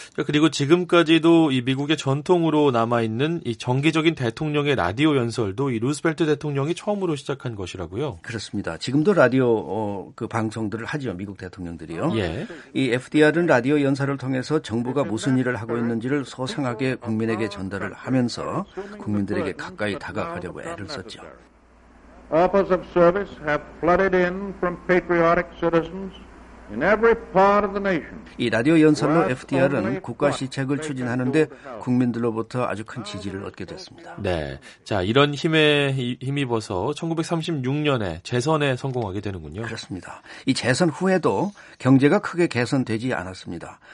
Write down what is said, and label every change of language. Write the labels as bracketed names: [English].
[Korean] 그리고 지금까지도 이 미국의 전통으로 남아 있는 이 정기적인 대통령의 라디오 연설도 이 루스벨트 대통령이 처음으로 시작한 것이라고요. 그렇습니다. 지금도 라디오 그 방송들을 하죠. 미국 대통령들이요. 예. 이 FDR은 라디오 연설을 통해서 정부가 무슨 일을 하고 있는지를 소상하게 국민에게 전달을 하면서 국민들에게 가까이 다가가려고 애를 썼죠. [English] Offers of service have flooded in from patriotic citizens in every part of the nation. [Korean] 이 라디오 연설로 FDR은 국가 시책을 추진하는데 국민들로부터 아주 큰 지지를 얻게 됐습니다. 네. 자, 이런 힘에 힘입어서 1936년에 재선에 성공하게 되는군요. 그렇습니다. 이 재선 후에도 경제가 크게 개선되지 않았습니다.